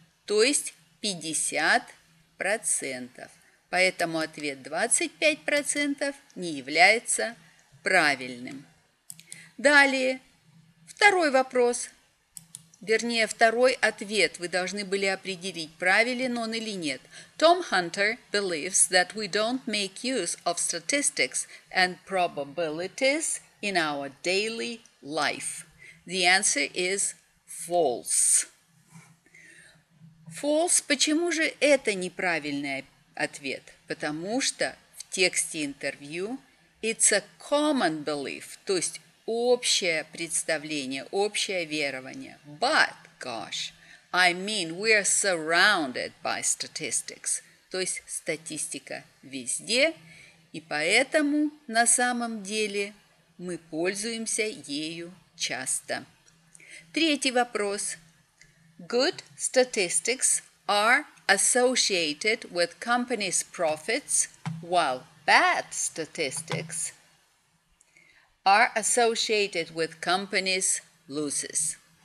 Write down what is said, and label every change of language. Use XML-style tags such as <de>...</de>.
<ru>То есть 50%. Поэтому ответ 25% не является правильным. Далее. Второй вопрос. Вернее, второй ответ вы должны были определить, правилен он или нет.</ru> <en>Tom Hunter believes that we don't make use of statistics and probabilities in our daily life. The answer is false. False.</en> <ru>Почему же это неправильный ответ? Потому что в тексте интервью</ru> <en>it's a common belief,</en> <ru>то есть общее представление, общее верование.</ru> <en>But, gosh, I mean, we are surrounded by statistics.</en> <ru>То есть статистика везде, и поэтому на самом деле мы пользуемся ею часто. Третий вопрос.</ru> <en>Good statistics are associated with companies' profits, while bad statistics are associated with companies' losses.</en>